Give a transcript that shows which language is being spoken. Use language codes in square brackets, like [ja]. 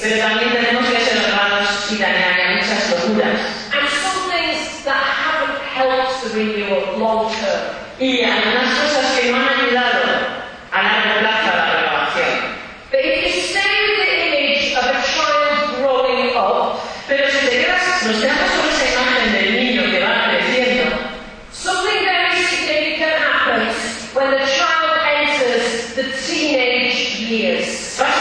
[es] Pero también tenemos que ser honrados y también hay muchas locuras. [en] And some things that haven't helped the renewal long term. [es] Y algunas cosas que no han ayudado a largo plazo a la renovación. [en] But if you stay with the image of a child growing up, [es] pero si te quedas, nos quedamos con esa imagen del niño que va creciendo. [en] Something very significant happens when the child enters the teenage years.